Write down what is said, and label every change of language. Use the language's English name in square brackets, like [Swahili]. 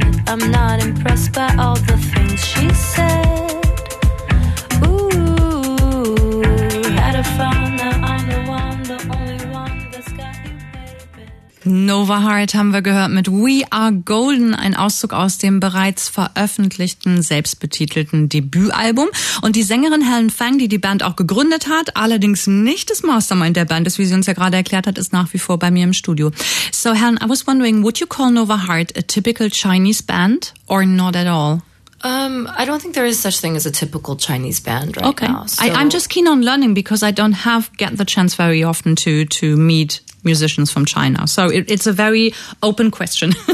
[English] I'm not impressed by all the things she said. Ooh, had a phone, now I'm the one, the only one that's got you. [German] Nova Heart haben wir gehört mit We Are Golden, ein Auszug aus dem bereits veröffentlichten, selbstbetitelten Debütalbum. Und die Sängerin Helen Fang, die Band auch gegründet hat, allerdings nicht das Mastermind der Band ist, wie sie uns ja gerade erklärt hat, ist nach wie vor bei mir im Studio. [English] So Helen, I was wondering, would you call Nova Heart a typical Chinese band or not at all? I don't think there is such thing as a typical Chinese band right okay. now. So. I'm just keen on learning, because I don't have get the chance very often to meet musicians from China. So it's a very open question.